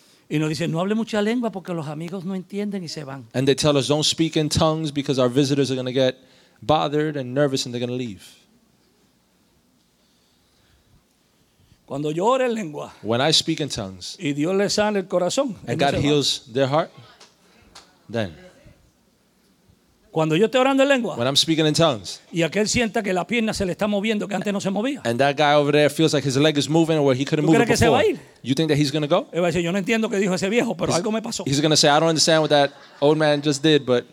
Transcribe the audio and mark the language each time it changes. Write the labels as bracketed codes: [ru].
[es] Y nos dicen, no hable mucha lengua porque los amigos no entienden y se van. [en] And they tell us, don't speak in tongues because our visitors are going to get bothered and nervous and they're going to leave. [es] Cuando yo oro en lengua. [en] When I speak in tongues. [es] Y Dios les sana el corazón. [en] And God heals their heart. Then. [es] Cuando yo estoy orando en lengua. [en] When I'm speaking in tongues. [es] Y aquel sienta que la pierna se le está moviendo que antes no se movía. [en] And that guy over there feels like his leg is moving where he couldn't move it before. [es] ¿Tú crees que se va a ir? [en] You think that he's going to go? [es] Él va a decir, yo no entiendo qué dijo ese viejo, pero algo me pasó. He's going to say, I don't understand what that old man just did, but